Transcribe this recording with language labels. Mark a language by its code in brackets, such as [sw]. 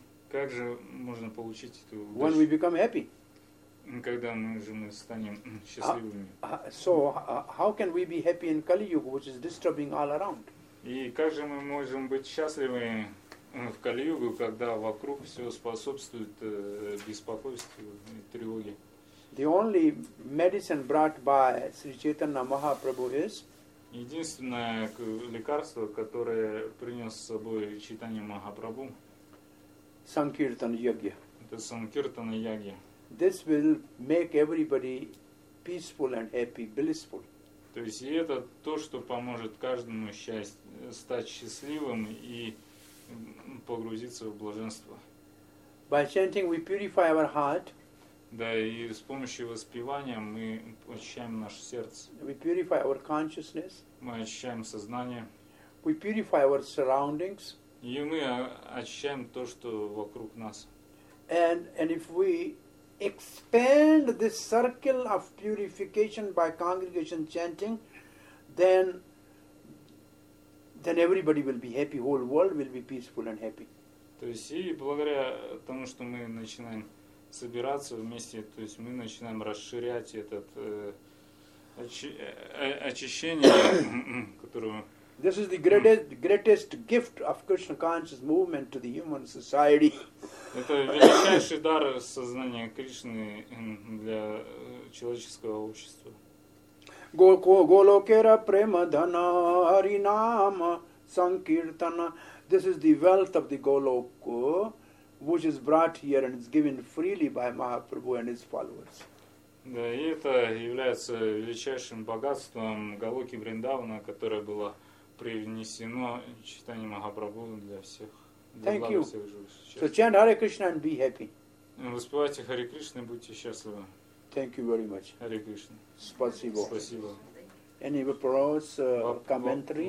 [ru] Как же можно получить эту? [en] When we become happy. [ru] Когда мы же мы станем счастливыми. [en] How can we be happy in Kali Yuga, which is disturbing all around? [ru] И как же мы можем быть счастливы в Kali Yuga, когда вокруг все способствует беспокойству и тревоге? [en] The only medicine brought by Sri Chaitanya Mahaprabhu is. [ru] Единственное лекарство, которое принес с собой Чайтанья Махапрабху. [sa] Sankirtana Yagya. [ru] Это Sankirtana Yagya. [en] This will make everybody peaceful and happy, blissful. [ru] То есть это то, что поможет каждому стать счастливым и погрузиться в блаженство. [en] By chanting, we purify our heart. [ru] Да, и с помощью воспевания мы очищаем наше сердце. [en] We purify our consciousness. [ru] Мы очищаем сознание. [en] We purify our surroundings. [ru] И мы очищаем то, что вокруг нас. [en] And if we expand this circle of purification by congregation chanting, then everybody will be happy, whole world will be peaceful and happy. [ru] То есть и благодаря тому, что мы начинаем собираться вместе, то есть мы начинаем расширять этот очищение, которое... [en] This is the greatest gift of Krishna conscious movement to the human society. [ru] Это величайший дар сознания Кришны для человеческого общества. [bn] Голокера према дана харинама санкиртана. [en] This is the wealth of the Голоку, which is brought here and is given freely by Mahaprabhu and his followers. [ru] Да, и это является величайшим богатством Голоки Вриндавана, которое было привнесено Чайтанья Махапрабху для всех. [en] Thank you. So chant Hare Krishna and be happy. [ru] Воспевайте Харе Кришны, будьте счастливы. [en] Thank you very much. [sa] Харе Кришна. [ru] Спасибо. Спасибо. Any вопрос, комментарии?